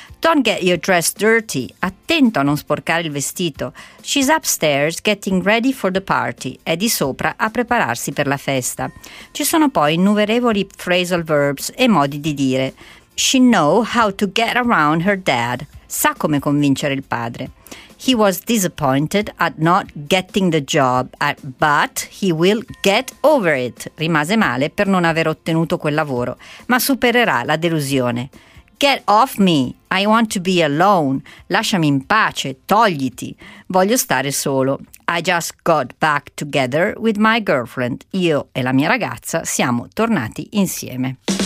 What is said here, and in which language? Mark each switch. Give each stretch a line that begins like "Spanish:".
English: Don't get your dress dirty, attento a non sporcare il vestito. She's upstairs getting ready for the party, è di sopra a prepararsi per la festa.
Italian: Ci sono poi innumerevoli phrasal verbs e modi di dire.
English: She know how to get around her dad, sa come convincere il padre. He was disappointed at not getting the job, but he will get over it.
Italian: Rimase male per non aver ottenuto quel lavoro, ma supererà la delusione.
English: Get off me, I want to be alone.
Italian: Lasciami in pace, togliti. Voglio stare solo.
English: I just got back together with my girlfriend. Io e la mia ragazza siamo tornati insieme.